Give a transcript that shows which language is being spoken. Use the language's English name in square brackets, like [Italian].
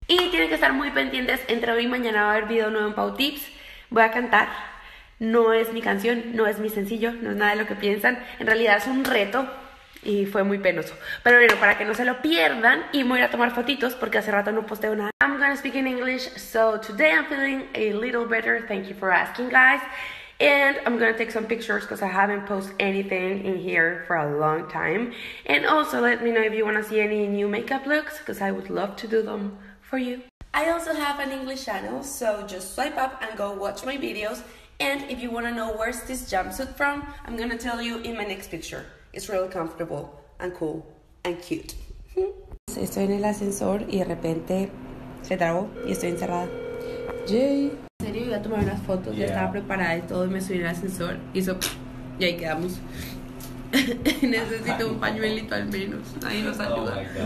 [Spanish] Y tienen que estar muy pendientes, entre hoy y mañana va a haber video nuevo en Pau Tips. Voy a cantar, no es mi canción, no es mi sencillo, no es nada de lo que piensan. En realidad es un reto. Y fue muy penoso. Pero bueno, para que no se lo pierdan, y voy a ir a tomar fotitos porque hace rato no posteo nada. [English] I'm gonna speak in English, so today I'm feeling a little better. Thank you for asking, guys. And I'm gonna take some pictures because I haven't posted anything in here for a long time. And also let me know if you wanna see any new makeup looks because I would love to do them for you. I also have an English channel, so just swipe up and go watch my videos. And if you wanna know where's this jumpsuit from, I'm gonna tell you in my next picture. It's really comfortable and cool and cute. [Spanish] Estoy en el ascensor y de repente se trabó y estoy encerrada. Yay! Se serio iba a tomar unas fotos, yeah. Ya estaba preparada y todo, y me subí al ascensor, y eso, y ahí quedamos. Necesito un pañuelito al menos, ahí nos ayuda.